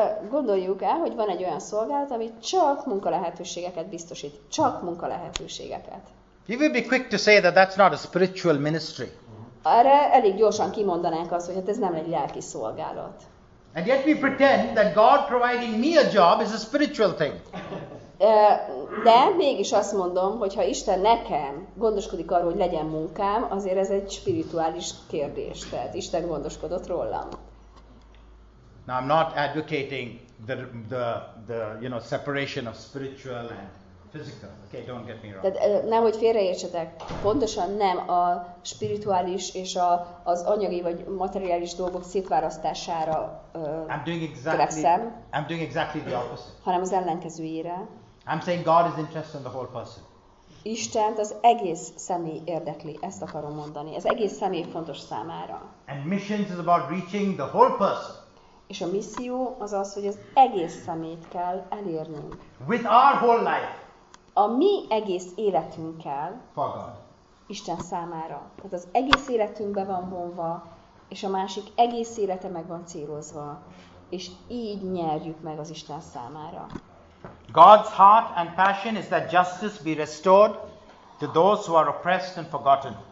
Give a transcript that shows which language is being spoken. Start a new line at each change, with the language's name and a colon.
Hungarian: Gondoljuk el, hogy van egy olyan szolgálat, ami csak munkalehetőségeket biztosít. Csak munkalehetőségeket.
English: You would be quick to say that that's not a spiritual ministry.
Hungarian: Erre elég gyorsan kimondanánk azt, hogy hát ez nem egy lelki szolgálat.
English: And yet we pretend that God providing me a job is a spiritual thing.
Hungarian: De mégis azt mondom, hogy ha Isten nekem gondoskodik arról, hogy legyen munkám, azért ez egy spirituális kérdés. Tehát Isten gondoskodott rólam.
English: Now I'm not advocating the you know separation of spiritual and physical. Okay, don't get me wrong.
Hungarian: Tehát nehogy félreértsetek. Pontosan nem a spirituális és az anyagi vagy materiális dolgok szétválasztására törekszem.
English: I'm doing exactly the opposite.
Hungarian: Hanem az ellenkezőjére.
English: I'm saying God is interested in the whole person.
Hungarian: Istent az egész személy érdekli, ezt akarom mondani. Ez egész személy fontos számára.
English: And missions is about reaching the whole person.
Hungarian: És a misszió az, hogy az egész szemét kell elérnünk.
English: With our whole life.
Hungarian: A mi egész életünkkel.
English: For God.
Hungarian: Isten számára. Tehát az egész életünkbe van vonva, és a másik egész élete meg van célozva. És így nyerjük meg az Isten számára.
English: God's heart and passion is that justice be restored to those who are oppressed and forgotten.